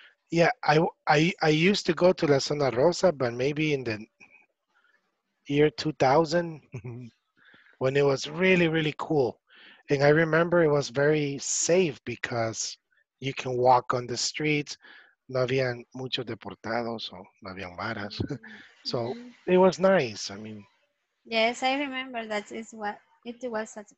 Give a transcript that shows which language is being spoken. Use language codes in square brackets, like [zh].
[en] Yeah, I used to go to La Zona Rosa, but maybe in the year 2000, when it was really, really cool. And I remember it was very safe because you can walk on the streets. [es] No habían muchos deportados, o no habían varas. [en] So it was nice. I mean, yes, I remember that is what it was.